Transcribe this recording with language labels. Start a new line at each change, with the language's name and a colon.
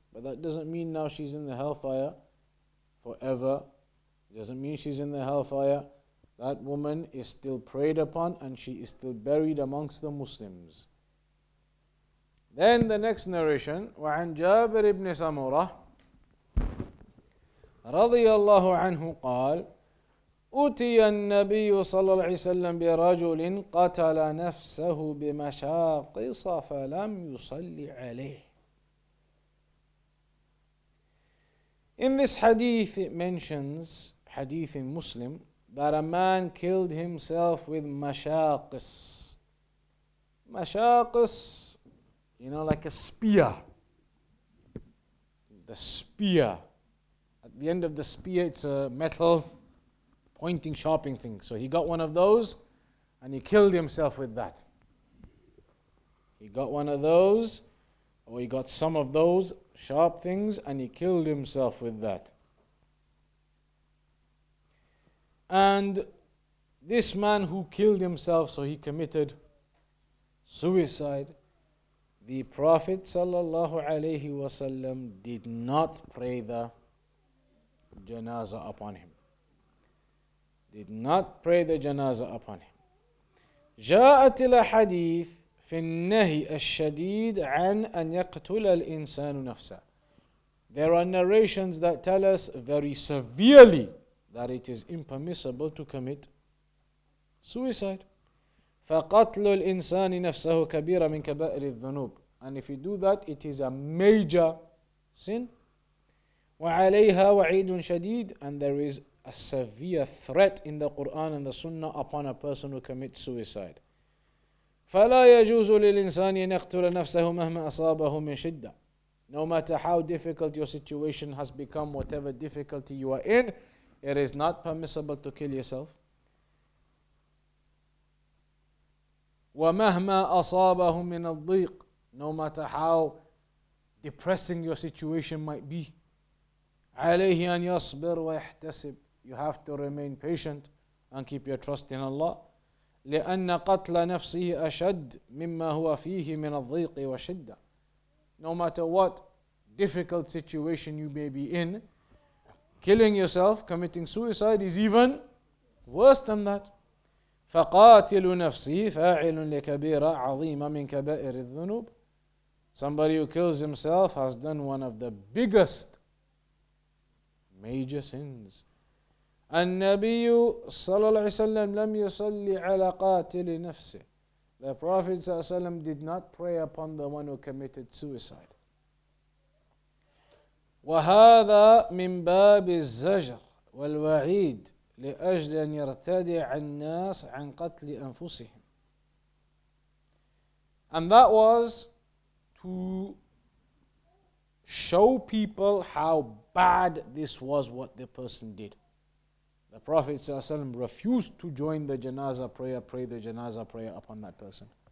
English: But that doesn't mean now she's in the hellfire forever. It doesn't mean she's in the hellfire. That woman is still prayed upon and she is still buried amongst the Muslims. Then the next narration, وَعَنْ جَابِرِ بْنِ سَمُرَةِ
Arabic: رضي الله عنه قال أتي النبي صلى الله عليه وسلم برجل قتل نفسه بمشاقص فلم يصلي عليه.
English: In this hadith it mentions, hadith in Muslim, that a man killed himself with mashaqis. Mashaqis, you know, like a spear. The spear. At the end of the spear, it's a metal pointing, sharpening thing. So he got one of those and he killed himself with that. He got one of those, or he got some of those sharp things and he killed himself with that. And this man who killed himself, so he committed suicide, the Prophet sallallahu alayhi wasallam did not pray the janazah upon him. Did not pray the janazah upon him.
Arabic: جاءت الحديث في النهي الشديد عن أن يقتل الإنسان نفسه.
English: There are narrations that tell us very severely that it is impermissible to commit suicide.
Arabic: فقتل الإنسان نفسه كبيرة من كبائر الذنوب.
English: And if you do that, it is a major sin.
Arabic: وعليها وعيد شديد.
English: And there is a severe threat in the Quran and the Sunnah upon a person who commits suicide.
Arabic: فلا يجوز للإنسان أن يقتل نفسه مهما أصابه من شدة.
English: No matter how difficult your situation has become, whatever difficulty you are in, it is not permissible to kill yourself.
Arabic: ومهما أصابه من الضيق.
English: No matter how depressing your situation might be.
Arabic: عليه أن يصبر ويحتسب.
English: You have to remain patient and keep your trust in Allah.
Arabic: لِأَنَّ قَتْلَ نَفْسِهِ أَشَدٍ مِمَّا هُوَ فِيهِ مِنَ الضِّيقِ وَشِدَّةٍ.
English: No matter what difficult situation you may be in, killing yourself, committing suicide is even worse than that.
Arabic: فَقَاتِلُ نَفْسِي فَاعِلٌ لِكَبِيرًا عَظِيمًا مِنْ كَبَائِرِ الذُّنُوبِ.
English: Somebody who kills himself has done one of the biggest major sins.
Arabic: النبي صلى الله عليه وسلم لم يصلي على قاتل نفسه.
English: The Prophet صلى الله عليه وسلم did not pray upon the one who committed suicide.
Arabic: وهذا من باب الزجر والوعيد لأجل أن يرتدع الناس عن قتل أنفسهم.
English: And that was to show people how bad this was what the person did. The Prophet ﷺ refused to join the janazah prayer, pray the janazah prayer upon that person.